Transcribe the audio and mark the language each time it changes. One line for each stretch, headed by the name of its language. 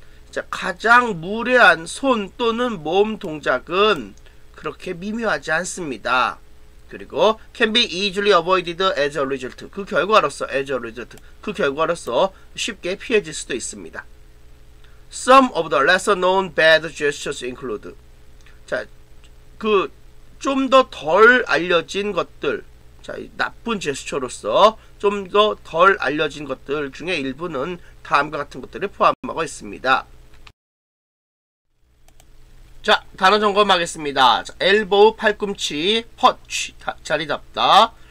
Korean: 자, 가장 무례한 손 또는 몸 동작은 그렇게 미묘하지 않습니다.
English: 그리고 can be easily avoided as a result.
Korean: 그 결과로서
English: as a result.
Korean: 그 결과로서 쉽게 피해질 수도 있습니다.
English: Some of the lesser known bad gestures include.
Korean: 자, 그 좀 더 덜 알려진 것들. 자, 나쁜 제스처로서 좀 더 덜 알려진 것들 중에 일부는 다음과 같은 것들을 포함하고 있습니다. 자, 단어 점검하겠습니다. 자, 엘보우, 팔꿈치, 펀치, 자리잡다.